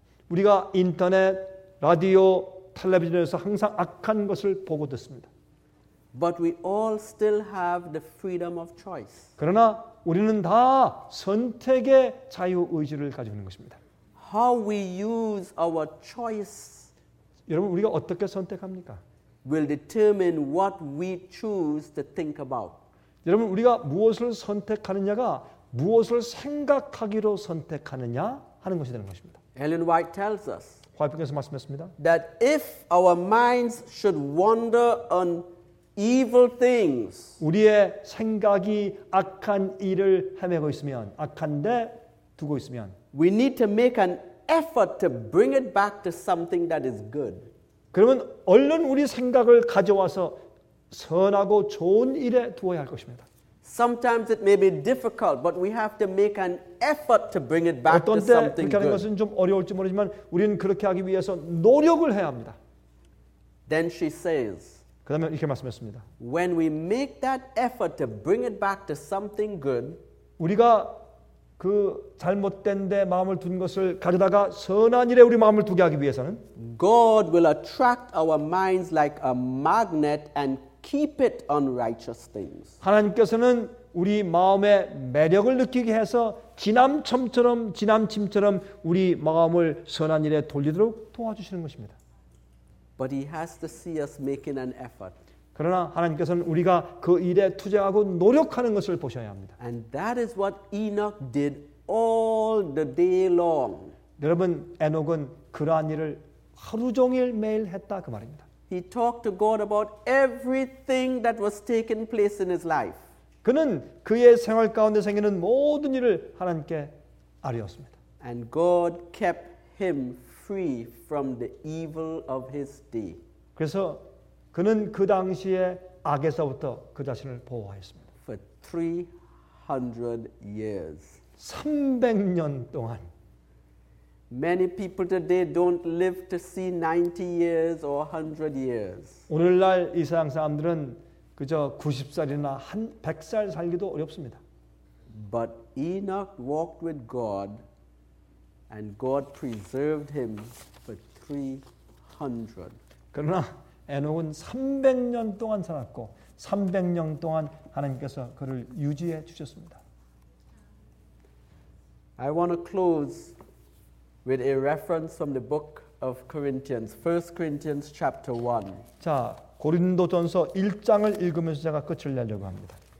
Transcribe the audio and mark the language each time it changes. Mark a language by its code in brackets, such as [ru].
[ko] 우리가 인터넷, 라디오, 텔레비전에서 항상 악한 것을 보고 듣습니다. [en] But we all still have the freedom of choice. [ko] 그러나 우리는 다 선택의 자유 의지를 가지고 있는 것입니다. [en] How we use our choice. [ko] 여러분 우리가 어떻게 선택합니까? [en] Will determine what we choose to think about. [ko] 여러분 우리가 무엇을 선택하느냐가 무엇을 생각하기로 선택하느냐 하는 것이 되는 것입니다. [en] Ellen White tells us. [ko] 화이트께서 말씀했습니다. [en] That if our minds should wander on evil things. [ko] 우리의 생각이 악한 일을 헤매고 있으면 악한데 두고 있으면 [en] we need to make an effort to bring it back to something that is good. [ko] 그러면 얼른 우리 생각을 가져와서 선하고 좋은 일에 두어야 할 것입니다. [en] Sometimes it may be difficult, but we have to make an effort to bring it back to something good. [ko] 어떤 때 그렇게 하는 것은 좀 어려울지 모르지만 우리는 그렇게 하기 위해서 노력을 해야 합니다. [en] Then she says. [ko] 그다음에 이렇게 말씀했습니다. [en] When we make that effort to bring it back to something good, [ko] 우리가 그 잘못된 데 마음을 둔 것을 가져다가 선한 일에 우리 마음을 두게 하기 위해서는 [en] God will attract our minds like a magnet and keep it on righteous things. [ko] 하나님께서는 우리 마음의 매력을 느끼게 해서 지남침처럼 우리 마음을 선한 일에 돌리도록 도와주시는 것입니다. [en] But he has to see us making an effort. [ko] 그러나 하나님께서는 우리가 그 일에 투쟁하고 노력하는 것을 보셔야 합니다. [en] And that is what Enoch did all the day long. [ko] 여러분, 에녹은 그러한 일을 하루 종일 매일 했다 그 말입니다. [en] He talked to God about everything that was taking place in his life. [ko] 그는 그의 생활 가운데 생기는 모든 일을 하나님께 아뢰었습니다. [en] And God kept him free from the evil of his day. [ko] 그래서 그는 그 당시에 악에서부터 그 자신을 보호하였습니다. [en] For 300 years. [ko] 300년 동안. [en] Many people today don't live to see 90 years or 100 years. [ko] 오늘날 이 세상 사람들은 그저 90살이나 한 100살 살기도 어렵습니다. [en] But Enoch walked with God and God preserved him for 300. [ko] 그러나 에녹은 300년 동안 살았고 300년 동안 하나님께서 그를 유지해 주셨습니다. [en] I want to close with a reference from the book of Corinthians, 1 Corinthians chapter 1. [ko] 자, 고린도전서 1장을 읽으면서 제가 끝을 내려고 합니다.